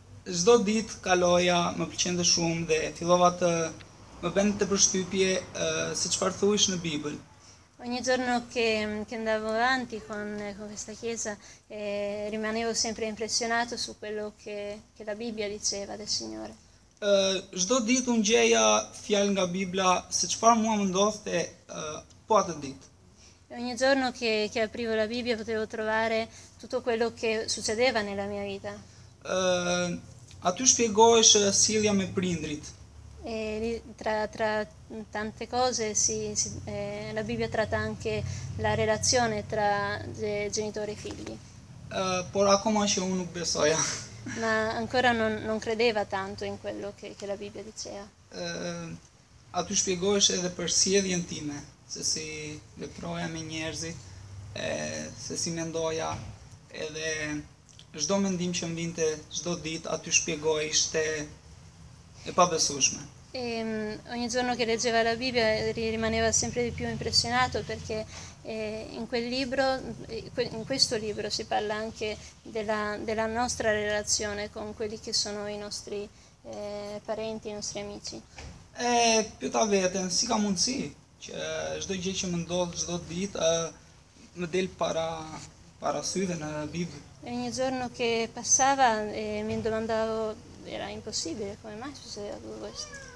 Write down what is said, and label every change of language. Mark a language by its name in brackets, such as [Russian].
[Albanian] Çdo ditë kaloja, më pëlqente shumë dhe fillova të më bënte përshtypje se çfarë thuhesh në Bibël. [Italian] Ogni giorno che andavo avanti con questa chiesa, rimanevo sempre impressionato su quello che la Bibbia diceva del Signore. [Albanian] Çdo ditë unë gjeja fjalë nga Bibla se çfarë mua më ndodhte po atë ditë. [Italian] Ogni giorno che aprivo la Bibbia potevo trovare tutto quello che succedeva nella mia vita. [Albanian] Aty shpjegohesh sjellja me prindrit. [Italian] E tra tante cose, la Bibbia tratta anche la relazione tra genitori e figli. [Albanian] Por akoma që unë nuk besoja. [Italian] Ma ancora non credeva tanto in quello che la Bibbia diceva. [Albanian] Aty shpjegohesh edhe për sjelljen time, se si veproja me njerëzit, se si mendoja, edhe çdo mendim që mbinte çdo ditë aty shpjegoi ishte e pabesueshme. [Italian] E ogni giorno che leggeva la Bibbia rimaneva sempre di più impressionato perché in questo libro si parla anche della nostra relazione con quelli che sono i nostri parenti, i nostri amici. [Albanian] Pyeta veten, si ka mundësi që çdo gjë që më ndodh çdo ditë më del para syve në Bibël. [Italian] Ogni giorno che passava mi domandavo, era impossibile, come mai succedeva tutto questo?